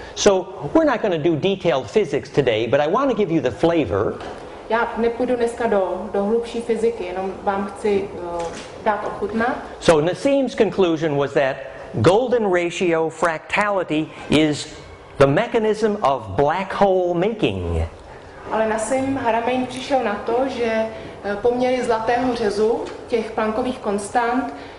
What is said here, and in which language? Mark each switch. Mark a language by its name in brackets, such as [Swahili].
[English] So we're not going to do detailed physics today, but I want to give you the flavor. [Czech] Já nepůjdu dneska do hlubší fyziky, jenom vám chci dát ochutnat. [English] So Nassim's conclusion was that golden ratio fractality is the mechanism of black hole making. [Czech] Ale na svém hrameni přišel na to, že poměry zlatého řezu těch Planckových konstant